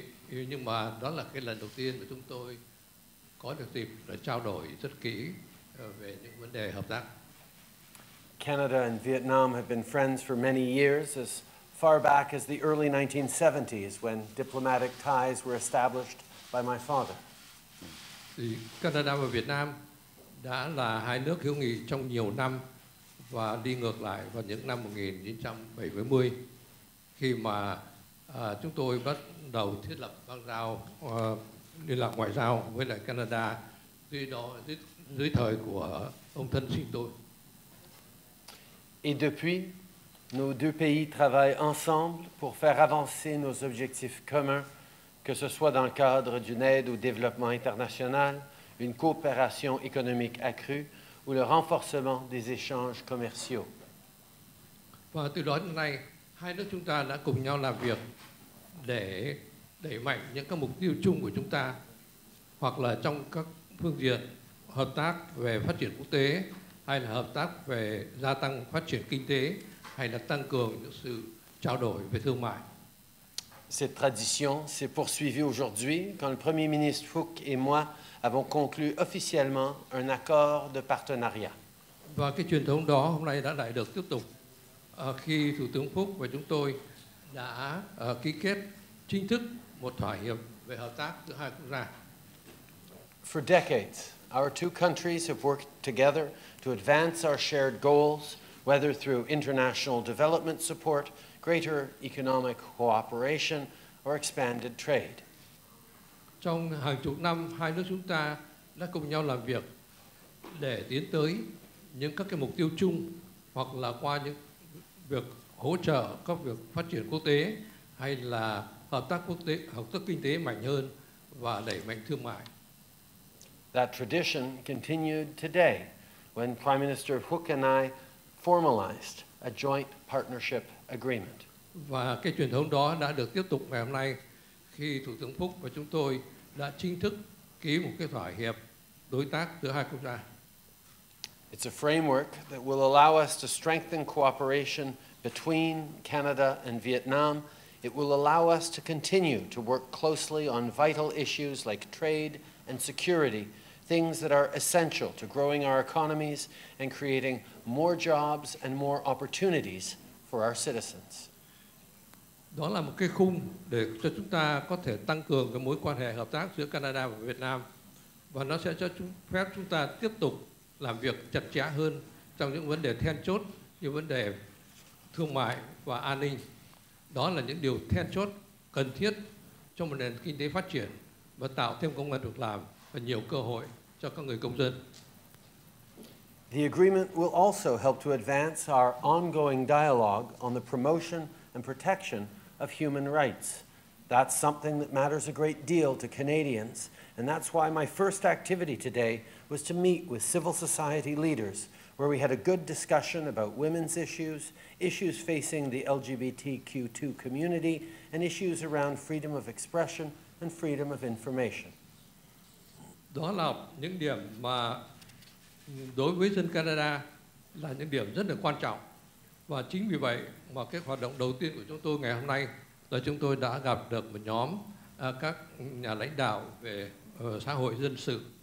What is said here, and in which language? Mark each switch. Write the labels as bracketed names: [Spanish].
[Vietnamese] Nhưng mà đó là cái lần đầu tiên mà chúng tôi có được dịp để trao đổi rất kỹ về những vấn đề hợp tác. [English] Canada and Vietnam have been friends for many years, as far back as the early 1970s, when diplomatic ties were established by my father. [Vietnamese] Canada và Việt Nam đã là hai nước hữu nghị trong nhiều năm, và đi ngược lại vào những năm 1970, khi mà chúng tôi bắt đầu thiết lập băng giao liên lạc ngoại giao với lại Canada dưới thời của ông thân sinh tôi. [French] Et depuis, nos deux pays travaillent ensemble pour faire avancer nos objectifs communs, que ce soit dans le cadre d'une aide au développement international, une coopération économique accrue ou le renforcement des échanges commerciaux. [Vietnamese] Và từ đó đến nay, hai nước chúng ta đã cùng nhau làm việc để đẩy mạnh những các mục tiêu chung của chúng ta, hoặc là trong các phương diện hợp tác về phát triển quốc tế, hay là hợp tác về gia tăng phát triển kinh tế, hay là tăng cường những sự trao đổi về thương mại. [French] Cette tradition s'est poursuivie aujourd'hui quand le Premier ministre Phúc et moi avons conclu officiellement un accord de partenariat. [Vietnamese] Và cái truyền thống đó hôm nay đã lại được tiếp tục khi Thủ tướng Phúc và chúng tôi đã ký kết chính thức một thỏa hiệp về hợp tác giữa hai quốc gia. [English] For decades, our two countries have worked together to advance our shared goals, whether through international development support, greater economic cooperation, or expanded trade. [Vietnamese] Trong hàng chục năm, hai nước chúng ta đã cùng nhau làm việc để tiến tới những các cái mục tiêu chung, hoặc là qua những việc hỗ trợ các việc phát triển quốc tế, hay là hợp tác kinh tế mạnh hơn và đẩy mạnh thương mại. [English] That tradition continued today when Prime Minister Phúc and I formalized a joint partnership agreement. [Vietnamese] Và cái truyền thống đó đã được tiếp tục ngày hôm nay khi Thủ tướng Phúc và chúng tôi đã chính thức ký một cái thỏa hiệp đối tác giữa hai quốc gia. [English] It's a framework that will allow us to strengthen cooperation between Canada and Vietnam. It will allow us to continue to work closely on vital issues like trade and security, things that are essential to growing our economies and creating more jobs and more opportunities for for our citizens. [Vietnamese] Đó là một cái khung để cho chúng ta có thể tăng cường cái mối quan hệ hợp tác giữa Canada và Việt Nam và nó sẽ cho chúng phép chúng ta tiếp tục làm việc chặt chẽ hơn trong những vấn đề then chốt như vấn đề thương mại và an ninh. Đó là những điều then chốt cần thiết cho một nền kinh tế phát triển và tạo thêm công ăn việc làm và nhiều cơ hội cho các người công dân. [English] The agreement will also help to advance our ongoing dialogue on the promotion and protection of human rights. That's something that matters a great deal to Canadians, and that's why my first activity today was to meet with civil society leaders, where we had a good discussion about women's issues, issues facing the LGBTQ2 community, and issues around freedom of expression and freedom of information. [Vietnamese] Đó là những điểm mà đối với dân Canada là những điểm rất là quan trọng. Và chính vì vậy mà cái hoạt động đầu tiên của chúng tôi ngày hôm nay là chúng tôi đã gặp được một nhóm các nhà lãnh đạo về xã hội dân sự.